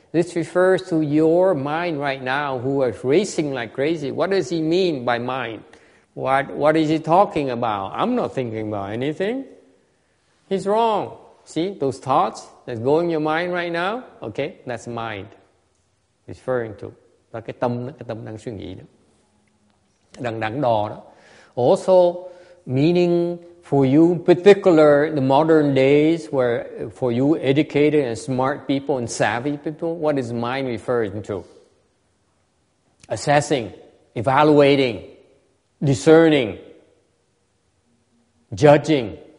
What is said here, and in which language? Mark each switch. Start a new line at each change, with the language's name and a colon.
English: This refers to your mind right now who is racing like crazy. What does he mean by mind? What is he talking about? I'm not thinking about anything. He's wrong. See, those thoughts that's going in your mind right now, okay, that's mind. Referring to.
Vietnamese: Là cái tâm đang suy nghĩ đó. Đang đắn đo đó.
English: Also, meaning for you, particular the modern days where for you educated and smart people and savvy people, what is mind referring to? Assessing, evaluating, discerning, judging.